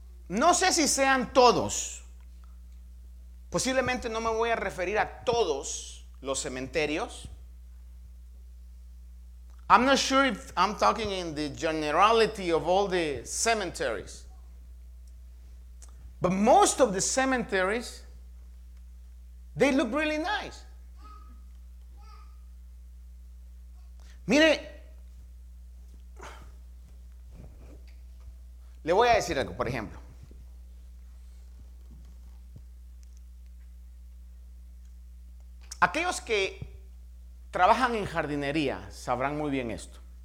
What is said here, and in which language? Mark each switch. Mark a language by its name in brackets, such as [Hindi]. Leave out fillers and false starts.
[Spanish] No sé si sean todos, posiblemente no me voy a referir a todos los cementerios. [English] I'm not sure if I'm talking in the generality of all the cemeteries. But most of the cemeteries, they look really nice. [Spanish] Mire, le voy a decir algo, por ejemplo. Aquellos que trabajan en jardinería sabrán muy bien esto.